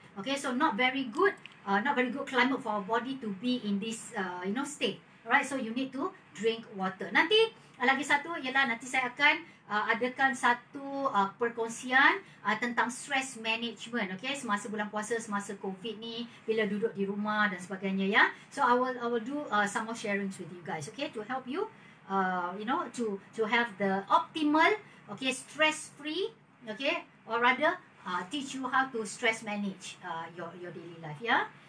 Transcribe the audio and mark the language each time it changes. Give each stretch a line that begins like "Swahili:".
English: Okay, so not very good climate for our body to be in this, you know, state. Alright, so you need to drink water.
Malay: Nanti, lagi satu ialah nanti saya akan adakan satu perkongsian tentang stress management. Okay, semasa bulan puasa, semasa COVID ni, bila duduk di rumah dan sebagainya, ya.
English: So, I will do some more sharing with you guys, okay, to help you, you know, to have the optimal, okay, stress-free. Okay, or rather, teach you how to stress manage your daily life, yeah?